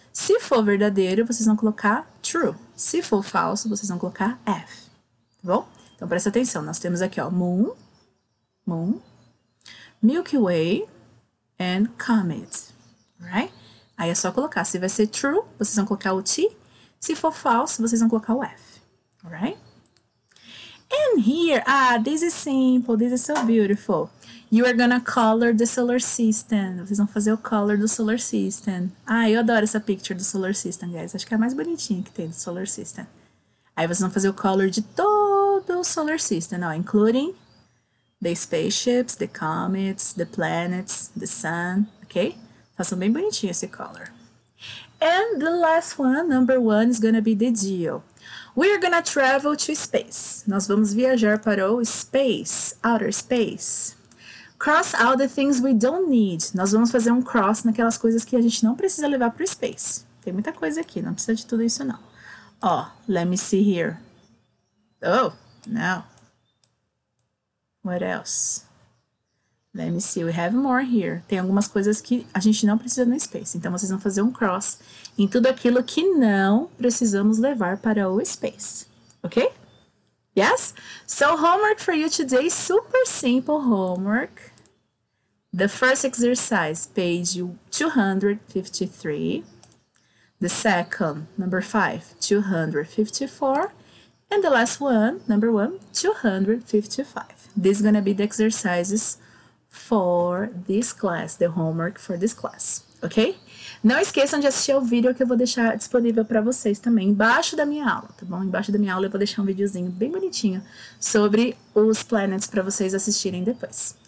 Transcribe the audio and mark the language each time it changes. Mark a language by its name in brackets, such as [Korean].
[Portuguese] Se for verdadeiro, vocês vão colocar true. Se for falso, vocês vão colocar F. Tá bom? Então, presta atenção. Nós temos aqui, ó, moon, moon, Milky Way, [English] and comet, right? [Portuguese] Aí é só colocar. Se vai ser true, vocês vão colocar o T. Se for falso, vocês vão colocar o F, right? [English] And here, ah, this is simple, this is so beautiful. You are gonna color the solar system. [Portuguese] Vocês vão fazer o color do solar system. Ah, eu adoro essa picture do solar system, guys. Acho que é a mais bonitinha que tem do solar system. Aí vocês vão fazer o color de todo o solar system, ó, [English] including the spaceships, the comets, the planets, the sun, ok? [Portuguese] Façam bem bonitinho esse color. [English] And the last one, number one, is gonna be the deal. We are gonna travel to space. [Portuguese] Nós vamos viajar para o space, outer space. [English] Cross out the things we don't need. [Portuguese] Nós vamos fazer um cross naquelas coisas que a gente não precisa levar para o space. Tem muita coisa aqui, não precisa de tudo isso não. [English] Ó, oh, let me see here. Oh, no. What else? Let me see, we have more here. [Portuguese] Tem algumas coisas que a gente não precisa no space. Então, vocês vão fazer um cross em tudo aquilo que não precisamos levar para o space. [English] Ok? Yes? So, homework for you today. Super simple homework. The first exercise, page 253. The second, number 5, 254. And the last one, number 1, 255. This is going to be the exercises for this class, the homework for this class, ok? [Portuguese] Não esqueçam de assistir ao vídeo que eu vou deixar disponível para vocês também, embaixo da minha aula, tá bom? Embaixo da minha aula eu vou deixar um videozinho bem bonitinho sobre os planets para vocês assistirem depois.